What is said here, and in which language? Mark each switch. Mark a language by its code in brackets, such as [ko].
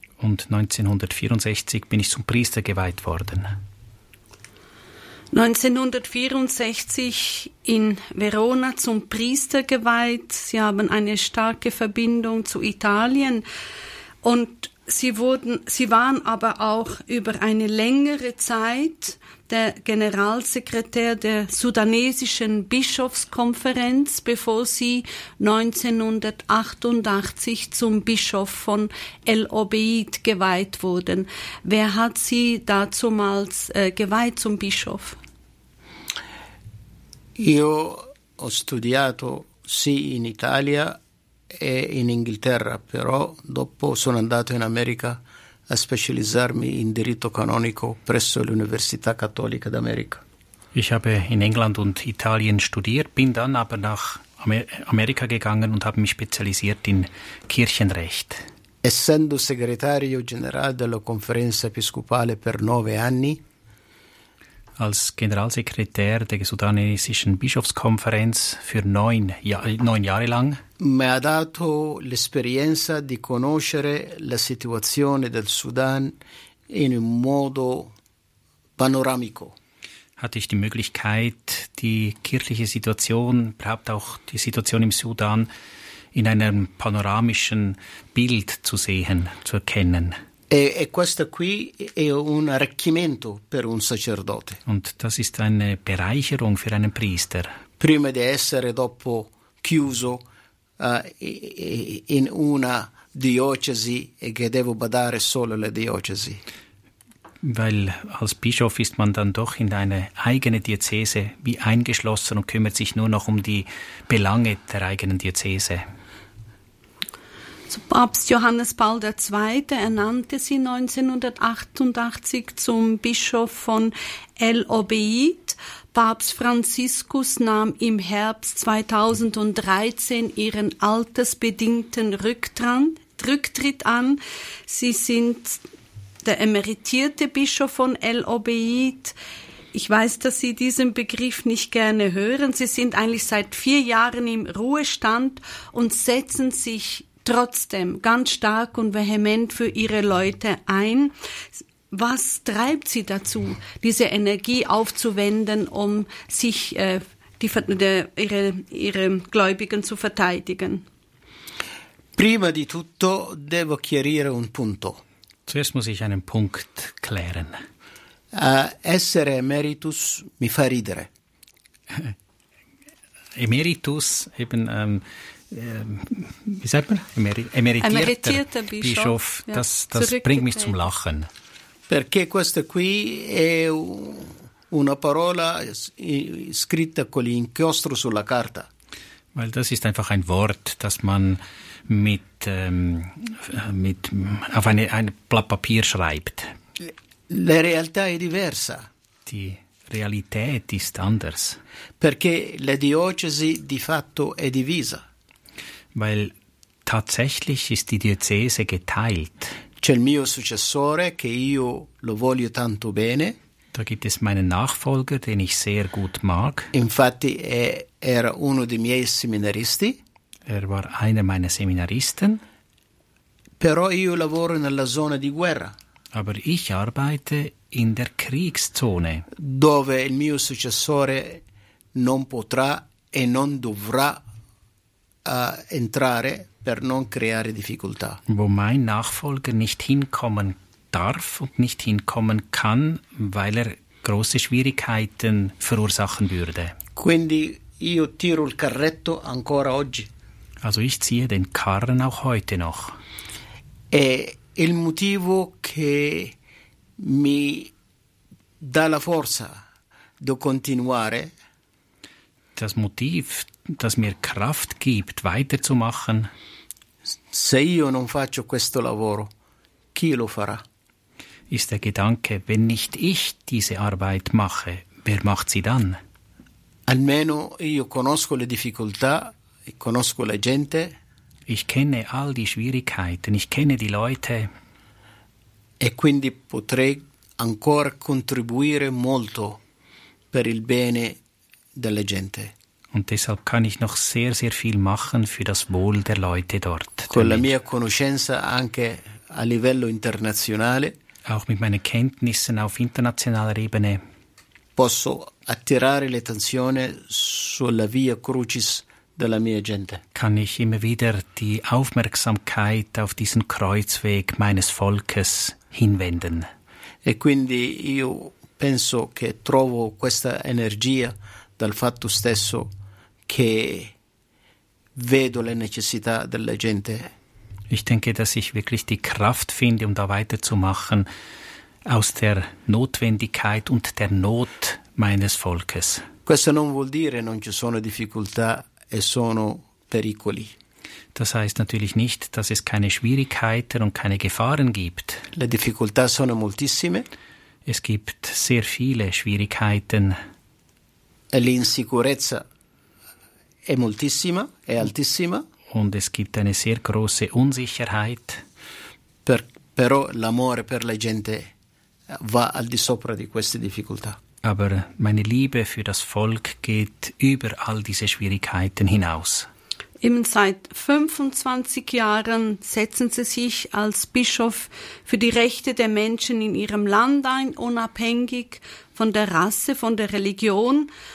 [de] Und 1964 bin ich zum Priester geweiht worden. 1964 in Verona zum Priester geweiht. Sie haben eine starke Verbindung zu Italien. Und Sie waren aber auch über eine längere Zeit der Generalsekretär der sudanesischen Bischofskonferenz, bevor Sie 1988 zum Bischof von El Obeid geweiht wurden. Wer hat Sie dazumals geweiht zum Bischof? [it] Io ho studiato sì in Italia e in Inghilterra, però dopo sono andato in America a specializzarmi in diritto canonico presso l'Università Cattolica d'America. [de] Ich habe in England und Italien studiert, bin dann aber nach America gegangen und habe mich spezialisiert in Kirchenrecht. [it] Essendo segretario generale della Conferenza Episcopale per 9 anni, [de] als Generalsekretär der sudanesischen Bischofskonferenz für 9 Jahre lang. [it] Mi ha dato l'esperienza di conoscere la situazione del Sudan in un modo Panoramico. [de] Hatte ich die Möglichkeit, die kirchliche Situation, überhaupt auch die Situation im Sudan, in einem panoramischen Bild zu sehen, zu erkennen? [it] E questo qui è un arricchimento per un sacerdote. [de] Und das ist eine Bereicherung für einen Priester. [it] Prima di essere dopo chiuso in una diocesi e che devo badare solo le diocesi. [de] Weil als Bischof ist man dann doch in eine eigene Diözese wie eingeschlossen und kümmert sich nur noch um die Belange der eigenen Diözese. So, Papst Johannes Paul II. Ernannte sie 1988 zum Bischof von El Obeid. Papst Franziskus nahm im Herbst 2013 ihren altersbedingten Rücktritt an. Sie sind der emeritierte Bischof von El Obeid. Ich weiß, dass Sie diesen Begriff nicht gerne hören. Sie sind eigentlich seit 4 Jahren im Ruhestand und setzen sich trotzdem ganz stark und vehement für Ihre Leute ein. Was treibt Sie dazu, diese Energie aufzuwenden, um sich ihre Gläubigen zu verteidigen? [it] Prima di tutto devo chiarire un punto. [de] Zuerst muss ich einen Punkt klären. [it] Essere emeritus mi fa ridere. [de] Emeritus, eben, wie sagt man? Emeritierter Bischof. Ja, das bringt mich zum Lachen. [it] Perché questa qui è una parola scritta con l'inchiostro sulla carta. [de] Weil das ist einfach ein Wort, das man auf ein Blatt Papier schreibt. [it] La realtà è diversa. [de] Die Realität ist anders. [it] Perché la diocesi di fatto è divisa. [de] Weil tatsächlich ist die Diözese geteilt. [it] C'è il mio successore che io lo voglio tanto bene. [de] Da gibt es meinen Nachfolger, den ich sehr gut mag. [it] Infatti era uno dei miei seminaristi. [de] Er war einer meiner Seminaristen. [it] Però io lavoro nella zona di guerra. [de] Aber ich arbeite in der Kriegszone. [it] Dove il mio successore non potrà e non dovrà entrare per non creare difficoltà. [de] Wo mein Nachfolger nicht hinkommen darf und nicht hinkommen kann, weil er große Schwierigkeiten verursachen würde. [it] Quindi io tiro il carretto ancora oggi. [de] Also ich ziehe den Karren auch heute noch. [it] E il motivo che mi dà la forza di continuare. [de] Das Motiv, das mir Kraft gibt, weiterzumachen. [it] Se io non faccio questo lavoro, chi lo farà? [de] Ist der Gedanke, wenn nicht ich diese Arbeit mache, wer macht sie dann? [it] Almeno io conosco le difficoltà, conosco la gente. [de] Ich kenne all die Schwierigkeiten, ich kenne die Leute. [it] E quindi potrei ancora contribuire molto per il bene della gente. [de] Und deshalb kann ich noch sehr, sehr viel machen für das Wohl der Leute dort. [it] Con la mia conoscenza anche a livello internazionale. [de] Auch mit meinen Kenntnissen auf internationaler Ebene. [it] Posso attirare l'attenzione sulla via Crucis della mia gente. [de] Kann ich immer wieder die Aufmerksamkeit auf diesen Kreuzweg meines Volkes hinwenden. [it] E quindi io penso che trovo questa energia dal fatto stesso che vedo le necessità della gente. [de] Ich denke, dass ich wirklich die Kraft finde, um da weiterzumachen, aus der Notwendigkeit und der Not meines Volkes. [it] Questo non vuol dire non ci sono difficoltà e sono pericoli. [de] Das heißt natürlich nicht, dass es keine Schwierigkeiten und keine Gefahren gibt. [it] Le difficoltà sono moltissime. [de] Es gibt sehr viele Schwierigkeiten. [it] L'insicurezza è moltissima, è altissima. [de] Und es gibt eine sehr große Unsicherheit. [it] Però l'amore per la gente va al di sopra di queste difficoltà. [de] Aber meine Liebe für das Volk geht über all diese Schwierigkeiten hinaus. Eben seit 25 Jahren setzen Sie sich als Bischof für die Rechte der Menschen in Ihrem Land ein, unabhängig von der Rasse, von der Religion.